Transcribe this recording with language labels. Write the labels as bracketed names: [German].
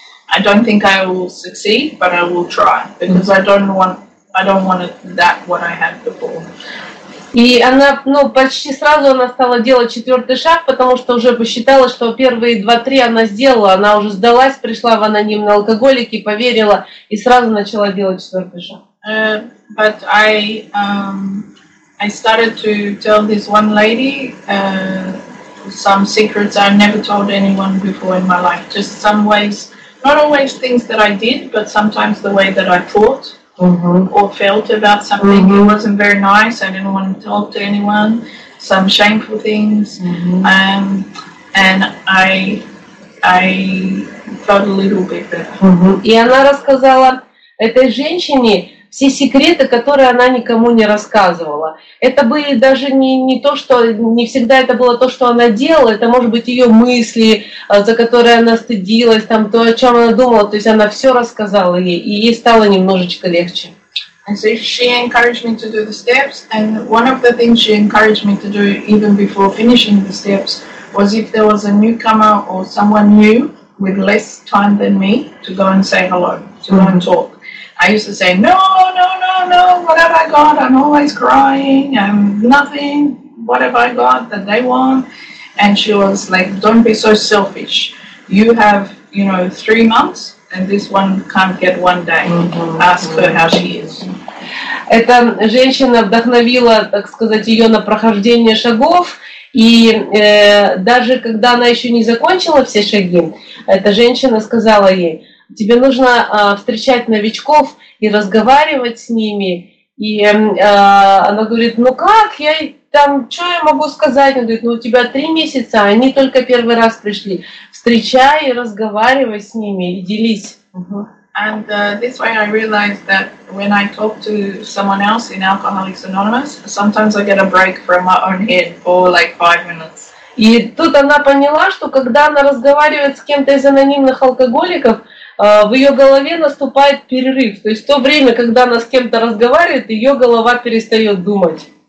[English] I don't think I will succeed, but I will try, because I don't want that what I had before. [Russian] И она, почти сразу она стала делать 4-й шаг, потому что уже посчитала, что первые 2-3 она сделала, она уже сдалась, пришла в анонимный алкоголик и поверила, и сразу начала делать 4-й шаг. [English] But I started to tell this one lady some secrets I've never told anyone before in my life. Just some ways, not always things that I did, but sometimes the way that I thought. Mm-hmm. Or felt about something. Mm-hmm. It wasn't very nice. I didn't want to talk to anyone. Some shameful things. Mm-hmm. And I felt a little bit better. Mm-hmm. [Russian] И она рассказала этой женщине все секреты, которые она никому не рассказывала. Это были даже не то, что не всегда это было то, что она делала. Это, может быть, ее мысли, за которые она стыдилась, там то, о чем она думала. То есть она все рассказала ей, и ей стало немножечко легче. [English] And so she encouraged me to do the steps, and one of the things she encouraged me to do even before finishing the steps was if there was a newcomer or someone new with less time than me to go and say hello, to go and talk. I used to say, no, what have I got? I'm always crying, I'm nothing, what have I got that they want? And she was like, don't be so selfish. You have, 3 months, and this one can't get one day. Mm-hmm. Ask her how she is. [Russian] Эта женщина вдохновила, так сказать, ее на прохождение шагов. И даже когда она еще не закончила все шаги, эта женщина сказала ей, тебе нужно встречать новичков и разговаривать с ними. И она говорит, ну как, я там, что я могу сказать? Он говорит, ну, у тебя 3 месяца, а они только первый раз пришли. Встречай, разговаривай с ними и делись. [English] And this way I realized that when I talk to someone else in Alcoholics Anonymous, sometimes I get a break from my own head for like 5 minutes. [Russian] И тут она поняла, что когда она разговаривает с кем-то из анонимных алкоголиков, в ее голове наступает перерыв. То есть в то время, когда она с кем-то разговаривает, ее голова перестает думать.